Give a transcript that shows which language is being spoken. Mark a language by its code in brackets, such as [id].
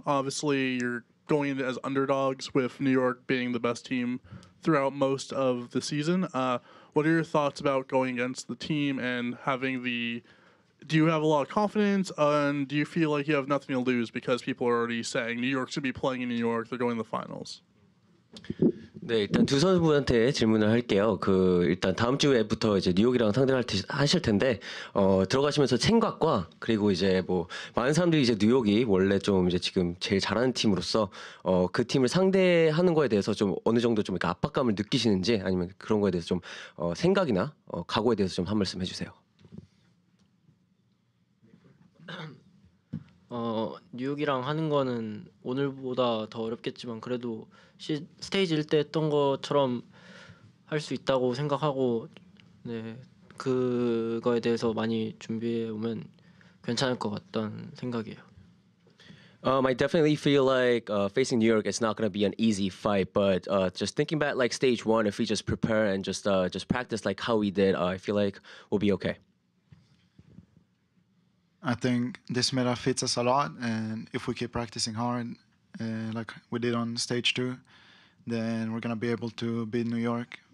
[en] Obviously, you're going as underdogs with New York being the best team throughout most of the season. What are your thoughts about going against the team and having the... Do you have a lot of confidence, and do you feel like you have nothing to lose because people are already saying New York should be playing in New York, they're going to the finals? [ko] 네, 일단 두 선수분한테 질문을 할게요. 그 일단 다음 주에부터 이제 뉴욕이랑 상대를 하실 텐데 들어가시면서 생각과 그리고 이제 뭐 많은 사람들이 이제 뉴욕이 원래 좀 이제 지금 제일 잘하는 팀으로서 그 팀을 상대하는 거에 대해서 좀 어느 정도 좀 이렇게 압박감을 느끼시는지 아니면 그런 거에 대해서 좀 생각이나 각오에 대해서 좀 한 말씀 해 주세요. 뉴욕이랑 하는 거는 오늘보다 더 어렵겠지만 그래도 스테이지 1 때 했던 것처럼 할 수 있다고 생각하고 네 그거에 대해서 많이 준비해 오면 괜찮을 것 같다는 생각이에요. [en] I definitely feel like facing New York, it's not going to be an easy fight. But just thinking about like stage one, if we just prepare and just practice like how we did, I feel like we'll be okay. I think this meta fits us a lot, and if we keep practicing hard, like we did on stage two, then we're gonna be able to beat New York.